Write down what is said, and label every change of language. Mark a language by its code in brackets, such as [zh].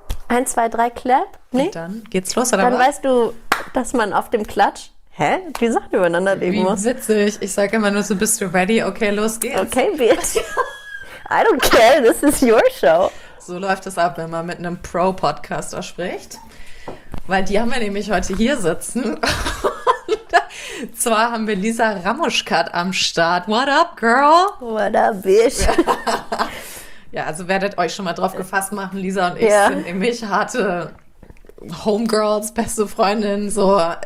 [de] Ein, zwei, drei, clap. Nee? Und dann geht's los. Dann weißt du, dass man auf dem Klatsch, die Sachen übereinander legen muss. Wie witzig. Ich sage immer nur so, bist du ready? Okay, los geht's. [en] Okay, bitch. I don't care, this is your show. [de] So läuft es ab, wenn man mit einem Pro-Podcaster spricht. Weil die haben wir nämlich heute hier sitzen. Zwar haben wir Lisa Ramoschkat am Start. [en] What up, girl? What up, bitch? [de] Ja, also werdet euch schon mal drauf gefasst machen, Lisa und ich sind nämlich harte Homegirls, beste Freundin, so.